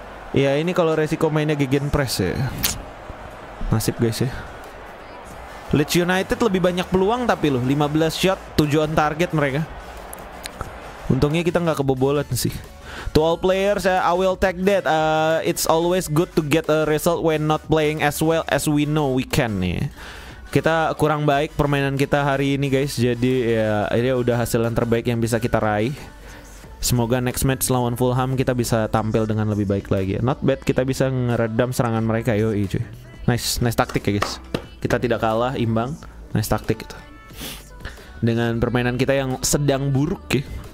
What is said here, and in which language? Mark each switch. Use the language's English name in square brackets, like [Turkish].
[Indonesian] Ya, ini kalau resiko mainnya gegenpress ya. Nasib guys ya. Leeds United lebih banyak peluang tapi loh, 15 shot, 7 on target mereka. Untungnya kita nggak kebobolan sih. [English] To all players, I will take that. It's always good to get a result when not playing as well as we know we can. Yeah. [Indonesian] Kita kurang baik permainan kita hari ini, guys. Jadi ya ini udah hasil yang terbaik yang bisa kita raih. Semoga [English] next match [Indonesian] lawan Fulham kita bisa tampil dengan lebih baik lagi. [English] Not bad, [Indonesian] kita bisa ngeredam serangan mereka. Yoi, cuy. Nice taktik ya, guys. Kita tidak kalah, imbang. Nice taktik itu. Dengan permainan kita yang sedang buruk, ya.